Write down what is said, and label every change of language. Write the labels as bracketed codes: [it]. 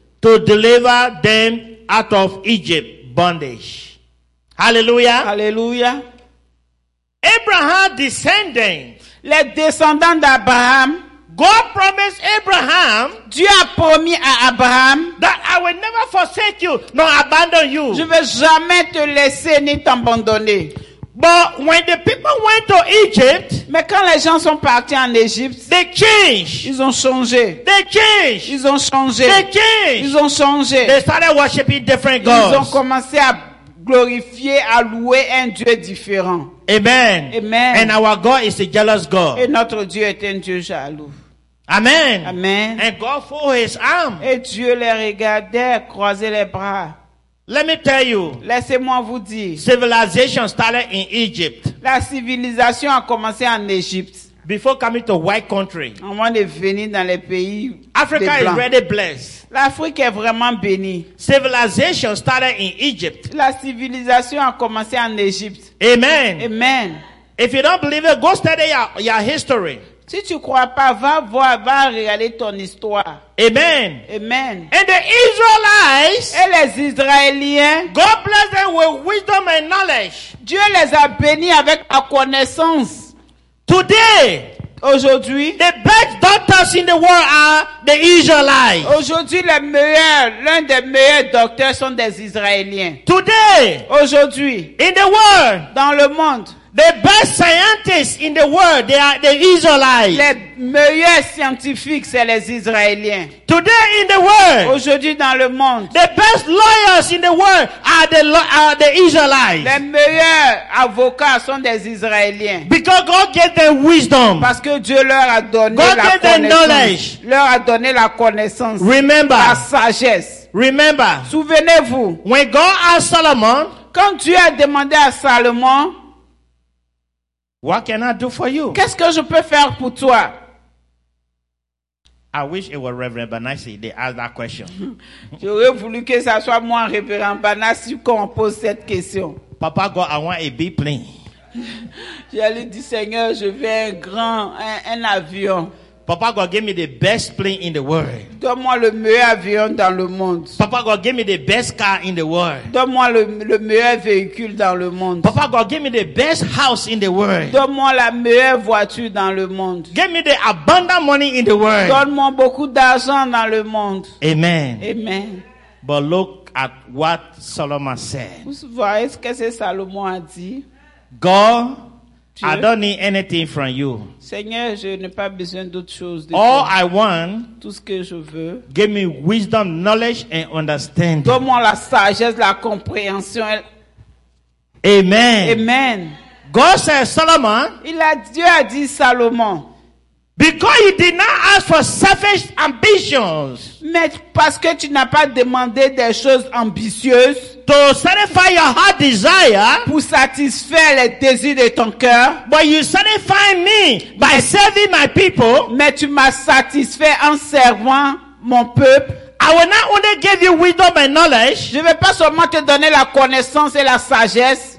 [en] to deliver them out of Egypt bondage. Hallelujah. Hallelujah. Abraham descendant. [fr] Les descendants d'Abraham. [en] God promised Abraham. [fr] Dieu a promis à Abraham. [en] That I will never forsake you, nor abandon you. [fr] Je ne vais jamais te laisser ni t'abandonner. [en] But when the people went to Egypt, [fr] mais quand les gens sont partis en Égypte, [en] they changed. [fr] Ils ont changé. [en] They changed. [fr] Ils ont changé. [en] They changed. [fr] Ils ont changé. [en] They started worshiping different gods. [fr] Ils ont commencé à glorifier, à louer un Dieu différent. [en] Amen. [fr] Amen. [en] And our God is a jealous God. [fr] Et notre Dieu est un Dieu jaloux. [en] Amen. [fr] Amen. [en] And God folded his arm. [fr] Et Dieu les regardait, croisait les bras. [en] Let me tell you. [fr] Laissez-moi vous dire. [en] Civilization started in Egypt. [fr] La civilisation a commencé en Égypte. [en] Before coming to white country. [fr] Avant de venir dans les pays. [en] Africa is really blessed. [fr] L'Afrique est vraiment bénie. [en] Civilization started in Egypt. [fr] La civilisation a commencé en Égypte. [en] Amen. [fr] Amen. [en] If you don't believe it, go study your history. [fr] Si tu crois pas, va voir, va regarder ton histoire. [en] Amen. [fr] Amen. [en] And the Israelites. [fr] Et les Israéliens. [en] God bless them with wisdom and knowledge. [fr] Dieu les a bénis avec la connaissance. [en] Today. [fr] Aujourd'hui, [en] the best doctors in the world are the Israelites. [fr] Aujourd'hui, les meilleurs, l'un des meilleurs docteurs sont des Israéliens. [en] Today, [fr] aujourd'hui, [en] in the world, [fr] dans le monde, [en] the best scientists in the world, they are the Israelites. [fr] Les meilleurs scientifiques, c'est les Israéliens. [en] Today in the world, [fr] aujourd'hui dans le monde, [en] the best lawyers in the world are the Israelites. [fr] Les meilleurs avocats sont des Israéliens. [en] Because God gave them wisdom. [fr] Parce que Dieu leur a donné [en] God [fr] la connaissance. [en] God gave them knowledge. [fr] Leur a donné la connaissance. [en] Remember. [fr] La sagesse. [en] Remember. [fr] Souvenez-vous. [en] When God asked Solomon, [fr] quand Dieu a demandé à Salomon, [en] what can I do for you? [fr] Qu'est-ce que je peux faire pour toi? [en] I wish it was Reverend Banassi they asked that question. [fr] J'aurais voulu que ça soit moi, Reverend Banassi, qu'on pose cette question. [en] Papa God, I want a big plane. [fr] J'allais dire, Seigneur, je veux un grand, un avion. [en] Papa God, give me the best plane in the world. [fr] Donne-moi le meilleur avion dans le monde. [en] Papa God, give me the best car in the world. [fr] Donne-moi le meilleur véhicule dans le monde. [en] Papa God, give me the best house in the world. [fr] Donne-moi la meilleure voiture dans le monde. [en] Give me the abundant money in the world. [fr] Donne-moi beaucoup d'argent dans le monde. [en] Amen. [fr] Amen. [en] But look at what Solomon said. [fr] Vous voyez ce que Salomon a dit? [en] God, I don't need anything from you. [fr] Seigneur, je n'ai pas besoin d'autre chose de [en] all [fr] toi. [en] I want, [fr] tout ce que je veux, [en] give me wisdom, knowledge, and understanding. [fr] Donne-moi la sagesse, la compréhension. [en] Amen. [fr] Amen. [en] God said Solomon. [fr] Dieu a dit Salomon. [en] Because you did not ask for selfish ambitions. [fr] Mais parce que tu n'as pas demandé des choses ambitieuses. [en] To satisfy your heart desire. [fr] Pour satisfaire les désirs de ton cœur. [en] But you satisfy me by serving my people. [fr] Mais tu m'as satisfait en servant mon peuple. [en] I will not only give you wisdom and knowledge. [fr] Je vais pas seulement te donner la connaissance et la sagesse.